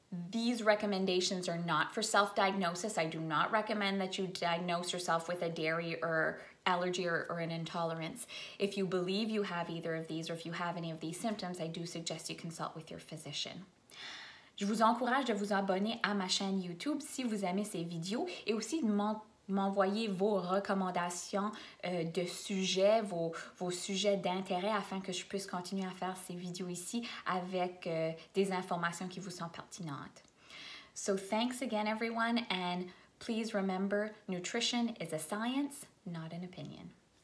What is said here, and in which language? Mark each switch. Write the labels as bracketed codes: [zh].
[en] These recommendations are not for self-diagnosis. I do not recommend that you diagnose yourself with a dairy or allergy or an intolerance. If you believe you have either of these, or if you have any of these symptoms, I do suggest you consult with your physician. [fr] Je vous encourage de vous abonner à ma chaîne YouTube si vous aimez ces vidéos et aussi de m'envoyer vos recommandations de sujets, vos sujets d'intérêt afin que je puisse continuer à faire ces vidéos ici avec des informations qui vous sont pertinentes. [en] So thanks again everyone, and please remember, nutrition is a science, not an opinion.